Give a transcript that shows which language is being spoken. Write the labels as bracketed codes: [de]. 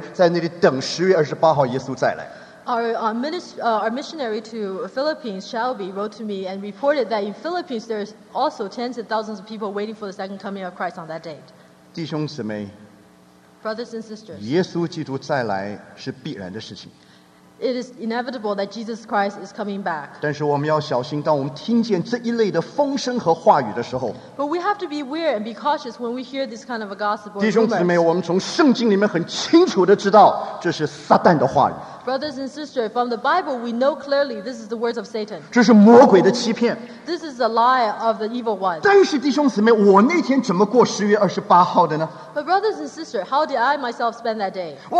[zh] 我收到Shelby的来信，告诉我说，在菲律宾也有上千万的人在那里等10月28号耶稣再来。 [en] Our missionary to Philippines, Shelby, wrote to me and reported that in Philippines there is also tens of thousands of people waiting for the second coming of Christ on that date. [zh] 弟兄姊妹, [en] Brothers and sisters, [zh] 耶稣基督再来是必然的事情。 [en] It is inevitable that Jesus Christ is coming back. [zh] 但是我们要小心，当我们听见这一类的风声和话语的时候。 [en] But we have to be aware and be cautious when we hear this kind of a gospel. [zh] 弟兄姊妹，我们从圣经里面很清楚的知道，这是撒旦的话语。 [en] Brothers and sisters, from the Bible, we know clearly this is the words of Satan. [zh] 这是魔鬼的欺骗。 [en] This is the lie of the evil one. [zh] 但是弟兄姊妹，我那天怎么过10月28号的呢？ [en] But brothers and sisters, how did I myself spend that day?